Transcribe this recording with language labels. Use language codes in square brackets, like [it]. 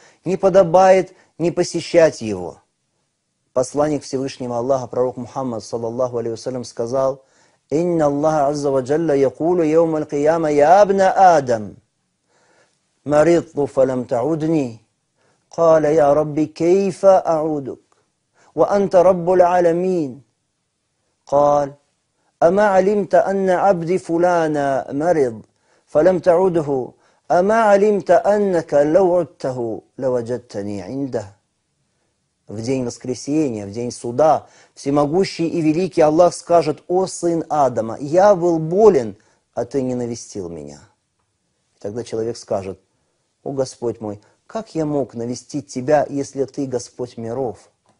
[ru] Не подобает не посещать его. Посланник Всевышнего Аллаха, пророк Мухаммад, саллаллаху алейхи вассалям, сказал, [ar] «Инна Аллаха азза ва джалла якулу йаум аль-кияма я абна Адам, маридту фалам таудни, каля я рабби кейфа ауду». وأنت رب العالمين قال أما علمت أن عبدي فلانا مرض فلم تعده أما علمت أنك لو عدته لوجدتني عنده [ru] в день воскресения, в день суда, всемогущий и великий Аллах скажет: «О сын Адама, я был болен, а ты не навестил меня». Тогда человек скажет: «О Господь мой, как я мог навестить тебя, если ты Господь миров?»